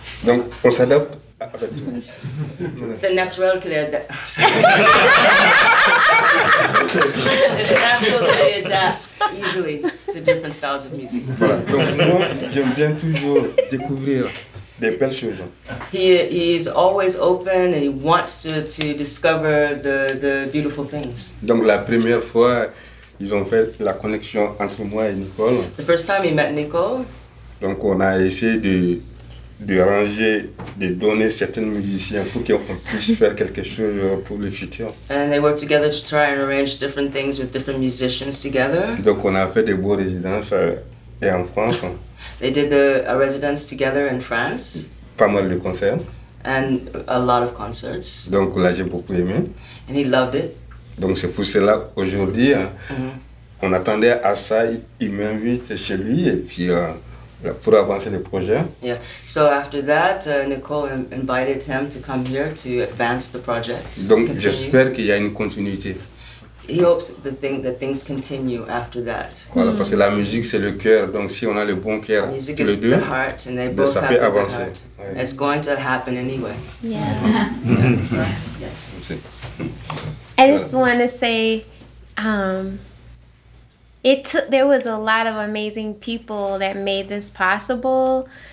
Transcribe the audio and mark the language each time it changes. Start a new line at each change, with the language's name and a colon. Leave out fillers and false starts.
French: Donc on s'adapte avec tout. C'est naturel qu'elle adapte. C'est naturel qu'elle adapte
English: easily to different styles of music.
French: Voilà. Donc moi, j'aime bien toujours découvrir.
English: He is always open and he wants to discover the beautiful things.
French: Donc la première fois, ils ont fait la connexion entre moi et Nicole.
English: The first time he met Nicole.
French: Donc on a essayé de ranger, de donner certains musiciens pour qu'on puisse faire quelque chose pour le futur.
English: And they worked together to try and arrange different things with different musicians together.
French: Donc on a fait des beaux résidences et en France.
English: They did a residence together in France.
French: Pas mal de concerts.
English: And a lot of concerts.
French: Donc là, j'ai beaucoup aimé.
English: And he loved it.
French: Donc c'est pour cela aujourd'hui, on attendait à ça, il m'invite chez lui et puis pour avancer le projet.
English: Yeah. So after that, Nicole invited him to come here to advance the project.
French: Donc j'espère qu'il y a une continuité.
English: He hopes that things continue after that.
French: Voilà, parce que la musique c'est le cœur, donc si on a le bon cœur, les deux,
English: the heart, and they both have the heart. Ouais. It's going to happen anyway. Yeah. Yeah. I just want to say, there was a lot of amazing people that made this possible.